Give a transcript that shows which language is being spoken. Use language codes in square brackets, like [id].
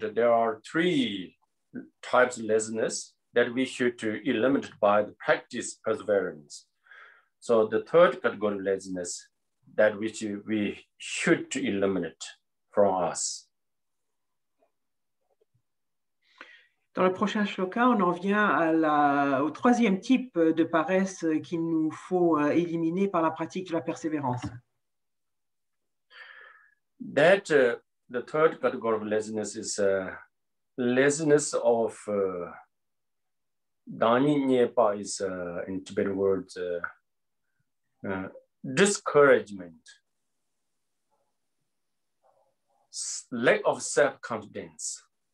[en] There are three types of laziness that we should eliminate by the practice perseverance. So the third category of laziness that which we should eliminate from us. [fr] Dans le prochain shloka, on en vient au troisième type de paresse qu'il nous faut éliminer par la pratique de la persévérance. [en] That the third category of laziness is laziness of dani nyepa is in Tibetan words discouragement, lack of self-confidence.